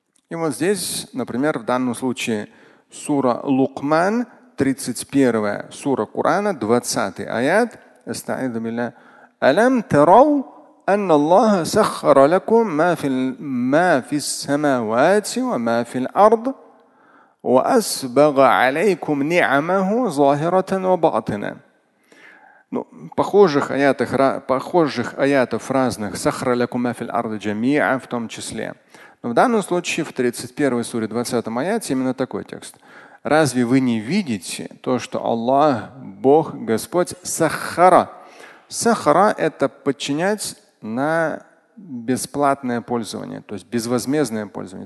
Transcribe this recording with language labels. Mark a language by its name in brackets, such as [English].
[Russian] И вот здесь, например, в данном случае сура Лукман, 31 сура Корана, 20 аят, [Arabic] эстаиду билля, алам тарау ан Аллаха сахара лакум ма фил самавати ва ма фил ард وَأَسْبَغَ عَلَيْكُمْ نِعَمَهُ ظَاهِرَةً وَبَاطِنًا. [Russian] Ну, похожих аятов разных. [Arabic] سَخْرَ لَكُمَا فِي الْأَرْضِ جَمِيعًا, [Russian] в том числе. Но в данном случае в 31 суре 20 аяте именно такой текст. Разве вы не видите то, что Аллах, Бог, Господь сахара? Сахара – это подчинять на бесплатное пользование, то есть безвозмездное пользование.